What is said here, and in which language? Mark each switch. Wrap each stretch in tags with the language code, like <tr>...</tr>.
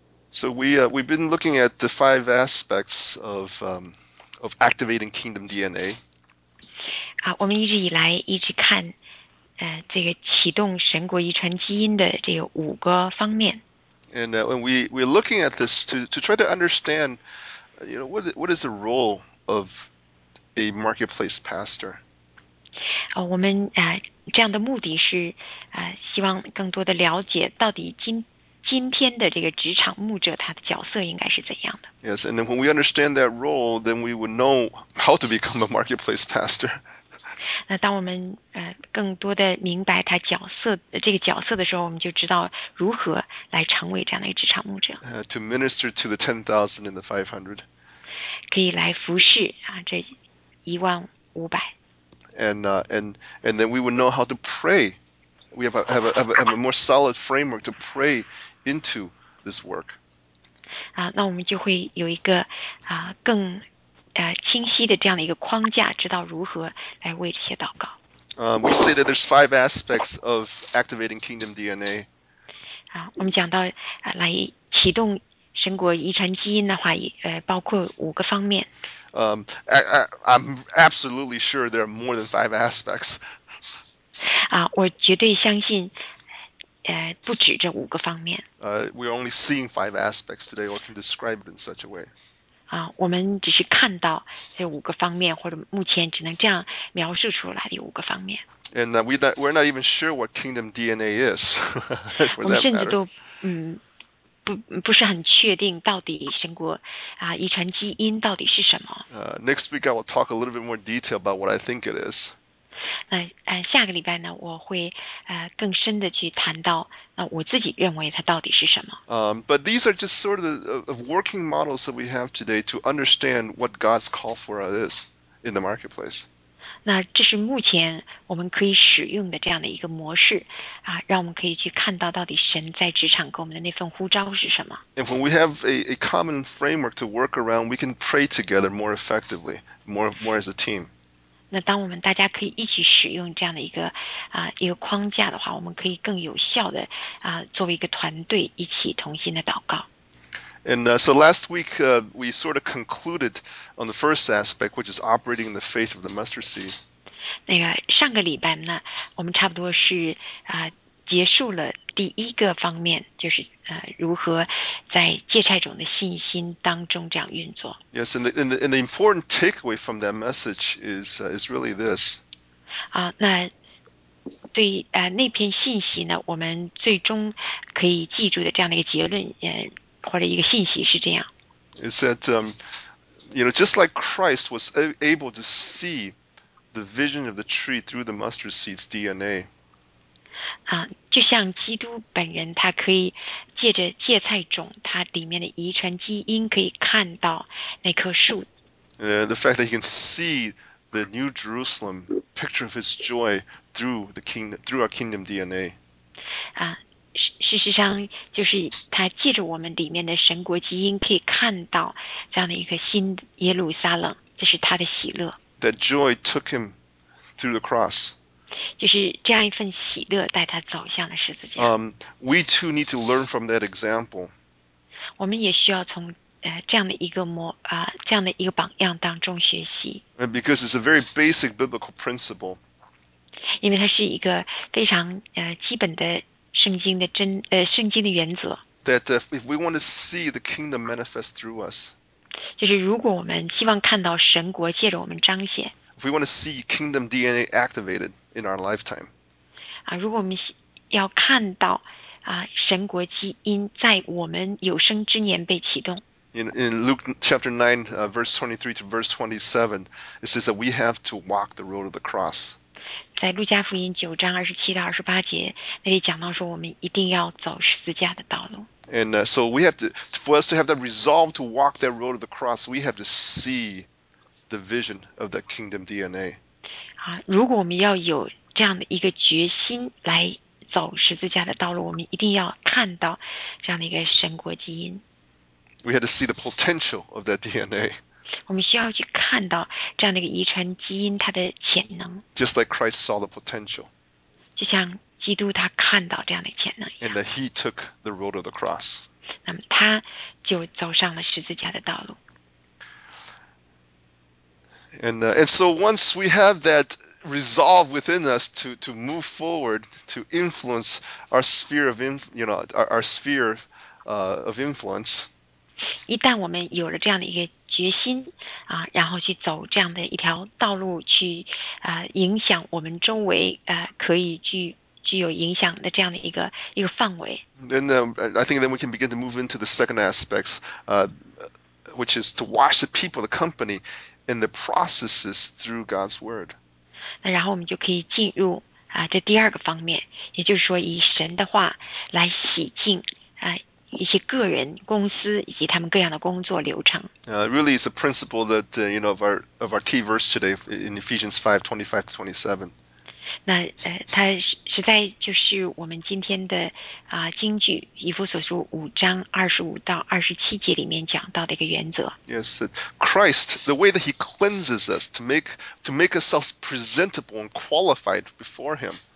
<en>So we've been looking at the five aspects of activating kingdom DNA.</en> <zh>啊，我们一直以来一直看，这个启动神国遗传基因的这个五个方面。</zh> <en>And when we're looking at this to try to understand, you know, what is the role of a marketplace pastor?</en> <zh>啊，我们啊这样的目的是啊，希望更多的了解到底今天的这个职场牧者他的角色应该是怎样的</zh> <en>？Yes, and then when we understand that role, then we would know how to become a marketplace pastor.</en> <zh>那当我们更多的明白他角色这个角色的时候，我们就知道如何来成为这样的一个职场牧者。</zh> <en>To minister to the 10,000 and the 500.</en> <zh>可以来服侍啊，这15,000。</zh> <en>And then we would know how to pray. We have a more solid framework to pray into this work.</en> <zh>啊，那我们就会有一个啊更清晰的这样的一个框架，知道如何来为这些祷告。</zh> <en>We say that there's five aspects of activating kingdom DNA.</en> <zh>啊，我们讲到啊来启动神国遗传基因的话，包括五个方面。</zh> <en>I'm absolutely sure there are more than five aspects.</en> <zh>我绝对相信不止这五个方面。</zh> <en>We're only seeing five aspects today, or can describe it in such a way.</en> <zh>我们只是看到这五个方面，或者目前只能这样描述出来的五个方面。</zh> <en>And we're not even sure what kingdom DNA is.</en> <zh>我们甚至都不是很确定到底神国遗传基因到底是什么。</zh> <en>Next week I will talk a little bit more detail about what I think it is.</en> <zh>下个礼拜呢，我会更深的去谈到我自己认为它到底是什么。</zh> <en>But these are just sort of working models that we have today to understand what God's call for us is in the marketplace.</en> <zh>那这是目前我们可以使用的这样的一个模式让我们可以去看到底神在职场给我们的那份呼召是什么。</zh> <en>And when we have a common framework to work around, we can pray together more effectively, more as a team.</en> <zh>那当我们大家可以一起使用这样的一个框架的话，我们可以更有效的作为一个团队一起同心的祷告。</zh> <en>And so last week we sort of concluded on the first aspect, which is operating in the faith of the mustard seed.</en> <zh>那个上个礼拜呢，我们差不多是结束了第一个方面，就是如何在芥菜种的信心当中这样运作。</zh> <en>Yes, and the important takeaway from that message is really this.</en> <zh>那对那篇信息呢，我们最终可以记住的这样的一个结论，或者一个信息是这样。</zh> <en>Is that, just like Christ was able to see the vision of the tree through the mustard seed's DNA.</en> <zh>就像基督本人，他可以借着芥菜种，它里面的遗传基因，可以看到那棵树。</zh> <en>The fact that he can see the New Jerusalem picture of his joy through our kingdom DNA.</en> <zh>事实上，就是他借着我们里面的神国基因，可以看到这样的一个新耶路撒冷，这是他的喜乐。</zh> <en>That joy took him through the cross.</en> <zh>就是这样一份喜乐带他走向了十字架。</zh> <en>We too need to learn from that example.</en> <zh>我们也需要从这样的一个模啊、这样的一个榜样当中学习，</zh> <en>And because it's a very basic biblical principle.</en> <zh>因为它是一个非常基本的圣经的圣经的原则。</zh> <en>That if we want to see the kingdom manifest through us.</en> <zh>就是如果我们希望看到神国借着我们彰显。</zh> <en>If we want to see kingdom DNA activated in our lifetime,</en> <zh>如果我们要看到神国基因在我们有生之年被启动，</zh> <en>in Luke chapter 9, verse 23 to verse 27, it says that we have to walk the road of the cross.</en> <zh>在路加福音9章27到28节，那里讲到说，我们一定要走十字架的道路。</zh> <en>And so we have to, for us to have that resolve to walk that road of the cross, we have to see the vision of the kingdom DNA.</en> <zh>如果我们要有这样的一个决心来走十字架的道路，我们一定要看到这样的一个神国基因。</zh> <en>We had to see the potential of that DNA.</en> <zh>我们需要去看到这样的一个遗传基因它的潜能，</zh> <en>Just like Christ saw the potential.</en> <zh>就像基督他看到这样的潜能一</zh> <en>And</en> <zh>样。</zh> <en>that he took the road of the cross.</en> <zh>那么他就走上了十字架的道路。</zh> <en>And so once we have that resolve within us to move forward, to influence our sphere of our sphere of influence,</en> <zh>一旦我们有了这样的一个决心然后去走这样的一条道路，去影响我们周围可以具有影响的这样的一个范围。</zh> <en>I think then we can begin to move into the second aspects, which is to watch the people, the company, and the processes through God's word.</en> <zh>那然后我们就可以进入这第二个方面，也就是说以神的话来洗净一些个人、公司以及他们各样的工作流程。</zh> <en>Really, it's a principle that of our key verse today in Ephesians 5:25-27.</en> <zh>那它实在就是我们今天的经句《以弗所书》5章25到27节里面讲到的一个原则。</zh> <en>Yes, Christ, the way that He cleanses us to make ourselves presentable and qualified before Him.</en>